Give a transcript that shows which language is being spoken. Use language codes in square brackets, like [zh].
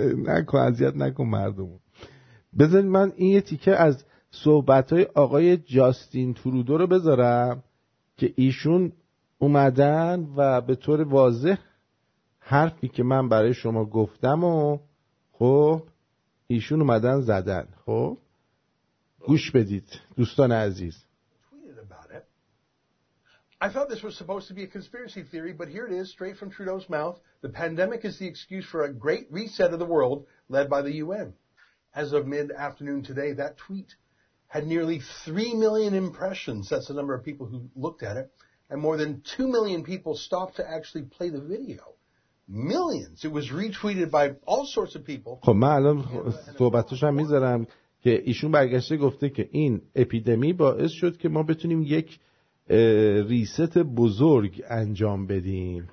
[fa] نکن اذیت نکن مردمو بذارید من این یه تیکه از صحبتهای آقای جاستین ترودو رو بذارم که ایشون اومدن و به طور واضح حرفی که من برای شما گفتم و خب ایشون اومدن زدن خب گوش بدید دوستان عزیز. [en] I thought this was supposed to be a conspiracy theory but here it is straight from Trudeau's mouth. The pandemic is the excuse for a great reset of the world led by the UN. As of mid-afternoon today that tweet had nearly 3 million impressions, that's the number of people who looked at it, and more than 2 million people stopped to actually play the video. Millions. It was retweeted by all sorts of people. [fa] خب من الان صحبتش هم میذارم که ایشون برگشته گفته که این اپیدمی باعث شد که ما بتونیم یک ریست بزرگ انجام بدیم.